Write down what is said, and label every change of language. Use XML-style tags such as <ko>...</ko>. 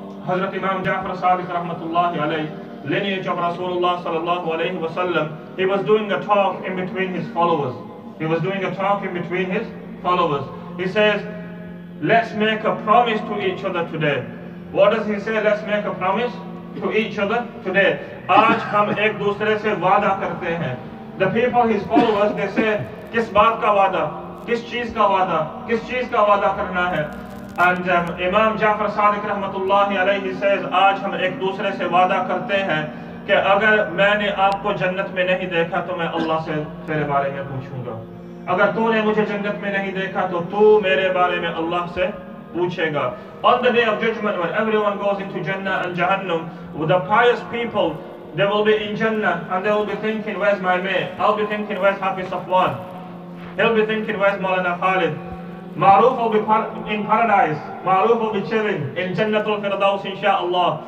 <en>Hazrat Imam Ja'far Sadiq rahmatullahi alayh, lineage of Rasulullah sallallahu alayhi wa sallam, he was doing a talk in between his followers. He says, let's make a promise to each other today. What does he say? Let's make a promise to each other today.</en> <ur>آج ہم ایک دوسرے سے وعدہ کرتے ہیں۔</ur> <en>The people, his followers, they say,</en> <ur>kis baat ka vaada? کس چیز کا وعدہ کرنا ہے؟</ur> <en>And</en> <ur>امام جعفر صادق رحمۃ اللہ علیہ</ur> <en>says,</en> <ur>آج ہم ایک دوسرے سے وعدہ کرتے ہیں کہ اگر میں نے آپ کو جنت میں نہیں دیکھا تو میں اللہ سے تیرے بارے میں پوچھوں گا۔ اگر تو نے مجھے جنت میں نہیں دیکھا تو تو میرے بارے میں اللہ سے پوچھے گا۔</ur> <en>On the day of judgment, when everyone goes into Jannah and Jahannam, the pious people, they will be in Jannah and they will be thinking, where's my mate? I'll be thinking, where's Hafiz Safwan? He'll be thinking, where's Maulana Khalid? Ma'ruf will be in paradise. Ma'ruf will be chilling in Jannatul Firdaus, insha'Allah.</en>